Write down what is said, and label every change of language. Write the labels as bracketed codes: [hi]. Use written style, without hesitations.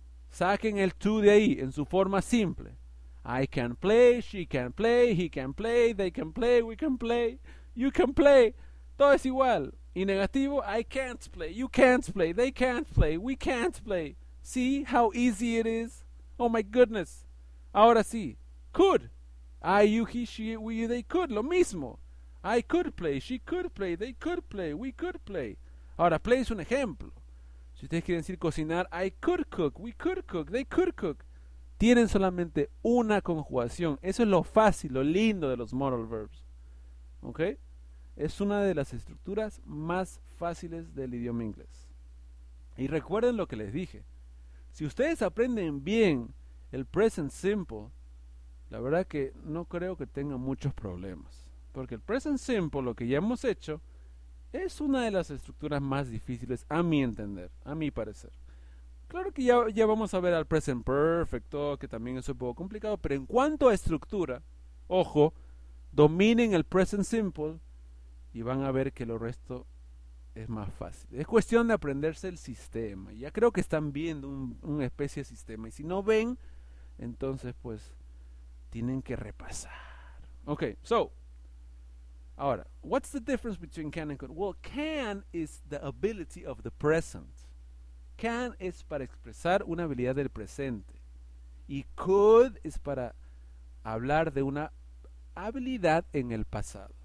[es] Saquen el to de ahí, en su forma simple. [en] I can play, she can play, he can play, they can play, we can play, you can play. [es] Todo es igual. Y negativo, [en] I can't play, you can't play, they can't play, we can't play. See how easy it is? Oh my goodness. [es] Ahora sí. [en] Could. I, you, he, she, we, they could. [es] Lo mismo. [en] I could play, she could play, they could play, we could play. [es] Ahora, play es un ejemplo. Si ustedes quieren decir cocinar, [en] I could cook, we could cook, they could cook. [es] Tienen solamente una conjugación. Eso es lo fácil, lo lindo de los modal verbs. ¿Ok? Es una de las estructuras más fáciles del idioma inglés. Y recuerden lo que les dije. Si ustedes aprenden bien el present simple, la verdad que no creo que tengan muchos problemas. Porque el present simple, lo que ya hemos hecho, es una de las estructuras más difíciles a mi entender, a mi parecer. Claro que ya vamos a ver al present perfect, que también es un poco complicado, pero en cuanto a estructura, ojo, dominen el present simple y van a ver que lo resto es más fácil. Es cuestión de aprenderse el sistema. Ya creo que están viendo un especie de sistema. Y si no ven, entonces pues tienen que repasar. [en] Ok, so. [es] Ahora, [en] what's the difference between can and could? Well, can is the ability of the present. [es] Can es para expresar una habilidad del presente. Y could es para hablar de una habilidad en el pasado.